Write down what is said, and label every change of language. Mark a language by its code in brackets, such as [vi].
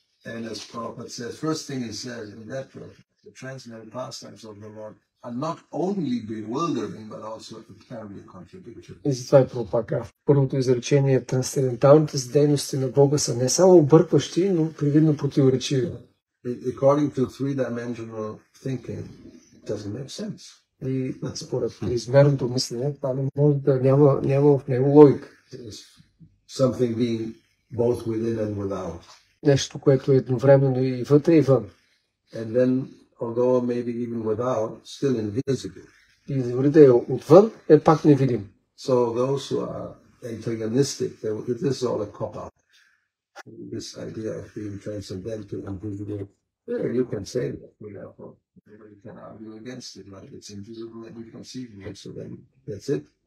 [en] And as Prabhupada says, first thing he says in that prayer, the transcendental pastimes of the Lord are not only bewildering, but also apparently contradictory. [bg] И затова е Прабхупада. Първото изречение, трансценденталните дейности на Бога са не само объркващи, но привидно противоречиви. [en] According to three-dimensional thinking, it doesn't make sense. [bg] И според измерното мислене, това не може да няма в него логика. [en] It's something being both within and without. [bg] Нещо, което е едновременно и вътре и вън. [en] And then, although maybe even without, still invisible. [bg] И дори да е отвън, е пак невидим. [en] So those who are antagonistic, this is all a cop-out. This idea of being transcendental, invisible. Yeah, you can say that, you know, everybody can argue against it, right? It's invisible and inconceivable, so then that's it.